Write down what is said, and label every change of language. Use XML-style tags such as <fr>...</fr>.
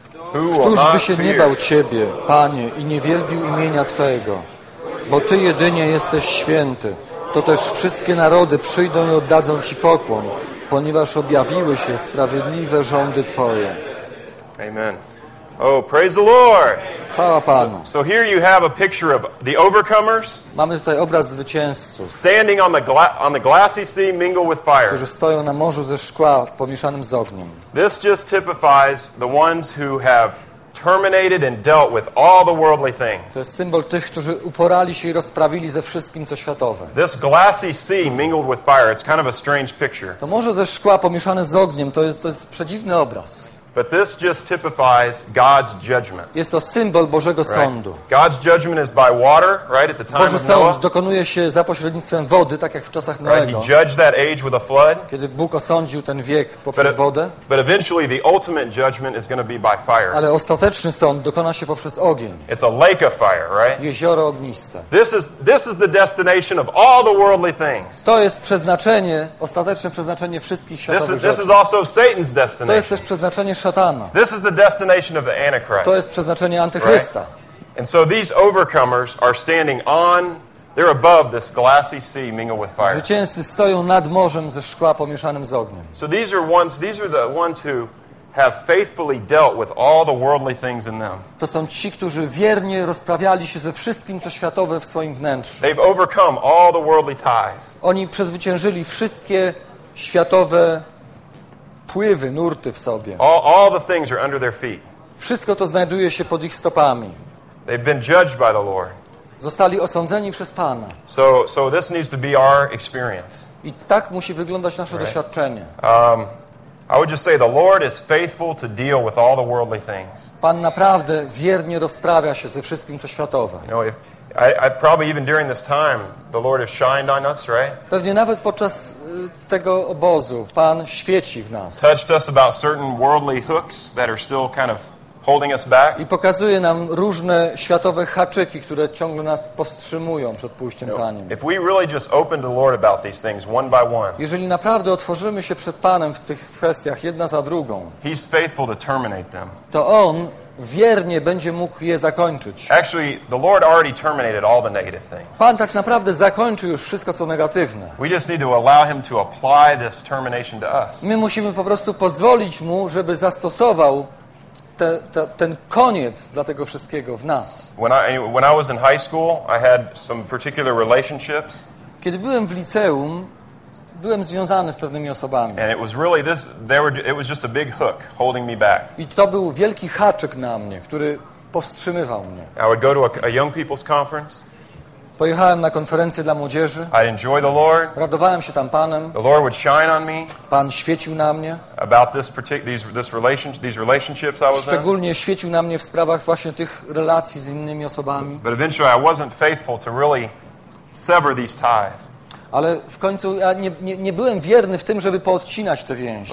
<pl>Któż by się nie bał Ciebie, Panie, i nie wielbił imienia Twojego? Bo Ty jedynie jesteś święty, toteż wszystkie narody przyjdą i oddadzą Ci pokłon, ponieważ objawiły się sprawiedliwe rządy Twoje.</pl> <en>Amen. Oh, praise the Lord.</en> <pl>Chwała Panu.</pl> <en>So here you have a picture of the overcomers.</en> <pl>Mamy tutaj obraz zwycięzców.</pl> <en>Standing on the glassy sea mingled with fire.</en> <pl>Którzy stoją na morzu ze szkła pomieszanym z ogniem.</pl> <en>This just typifies the ones who have terminated and dealt with all the worldly things.</en> <pl>To jest symbol tych, którzy uporali się i rozprawili ze wszystkim, co światowe.</pl> <en>This glassy sea mingled with fire, it's kind of a strange picture.</en> <pl>To morze ze szkła pomieszane z ogniem, to jest przedziwny obraz.</pl> <en>But this just typifies God's judgment.</en> <pl>Jest to symbol Bożego sądu.</pl> <en>Right? God's judgment is by water, right at the time</en> <pl>Boży</pl> <en>of Noah.</en> <pl>Boże sąd dokonuje się za pośrednictwem wody, tak jak w czasach Noego.</pl> <en>Right? He judged that age with a flood.</en> <pl>Kiedy Bóg osądził ten wiek poprzez wodę.</pl> <en>But eventually the ultimate judgment is going to be by fire.</en> <pl>Ale ostateczny sąd dokona się poprzez ogień.</pl> <en>It's a lake of fire, right?</en> <pl>Jezioro ogniste.</pl> <en>This is the destination of all the worldly things.</en> <pl>To jest przeznaczenie, ostateczne przeznaczenie wszystkich światowych rzeczy.</pl> <en>This is also Satan's destination.</en> <pl>To jest też przeznaczenie Szatana.</pl> <en>This is the destination of the Antichrist.</en> <pl>To jest przeznaczenie Antychrysta.</pl> <en>Right? And so these overcomers are standing on, they're above this glassy sea mingled with fire.</en> <pl>Zwycięzcy stoją nad morzem ze szkła pomieszanym z ogniem.</pl> <en>So these are the ones who have faithfully dealt with all the worldly things in them.</en> <pl>To są ci, którzy wiernie rozprawiali się ze wszystkim, co światowe w swoim wnętrzu.</pl> <en>They've overcome all the worldly ties.</en> <pl>Oni przezwyciężyli wszystkie światowe pływy, nurty w sobie.</pl> <en>All the things are under their feet.</en> <pl>Wszystko to znajduje się pod ich stopami.</pl> <en>They've been judged by the Lord.</en> <pl>Zostali osądzeni przez Pana.</pl> <en>So this needs to be our experience.</en> <pl>I tak musi wyglądać nasze doświadczenie.</pl> <en>I would just say the Lord is faithful to deal with all the worldly things.</en> <pl>Pan naprawdę wiernie rozprawia się ze wszystkim, co światowe.</pl> <en>You know, I probably even during this time the Lord has shined on us, right?</en> <pl>Pewnie nawet podczas tego obozu Pan świeci w nas.</pl> <en>Touched us about certain worldly hooks that are still kind of holding us back.</en> <pl>I pokazuje nam różne światowe haczyki, które ciągle nas powstrzymują przed pójściem za Nim.</pl> <en>If we really just open to the Lord about these things one by one.</en> <pl>Jeżeli naprawdę otworzymy się przed Panem w tych kwestiach jedna za drugą.</pl> <en>He's faithful to terminate them.</en> <pl>To On wiernie będzie mógł je zakończyć.</pl> <en>Actually, the Lord already terminated all the negative things.</en> <pl>Pan tak naprawdę zakończył już wszystko, co negatywne.</pl> <en>We just need to allow Him to apply this termination to us.</en> <pl>My musimy po prostu pozwolić Mu, żeby zastosował ten koniec dla tego wszystkiego w nas.</pl> <en>When I was in high school, I had some particular relationships.</en> <pl>Kiedy byłem w liceum, byłem związany z pewnymi osobami.</pl> <en>And it was really this, it was just a big hook holding me back.</en> <pl>I to był wielki haczyk na mnie, który powstrzymywał mnie.</pl> <en>I would go to a young people's conference.</en> <pl>Pojechałem na konferencję dla młodzieży.</pl> <en>I'd enjoy the Lord.</en> <pl>Radowałem się tam Panem.</pl> <en>The Lord would shine on me.</en> <pl>Pan świecił na mnie.</pl> <en>About these relationships I was in.</en> <pl>Szczególnie świecił na mnie w sprawach właśnie tych relacji z innymi osobami.</pl> <en>But eventually I wasn't faithful to really sever these ties.</en> <pl>Ale w końcu ja nie byłem wierny w tym, żeby poodcinać te więzi.</pl>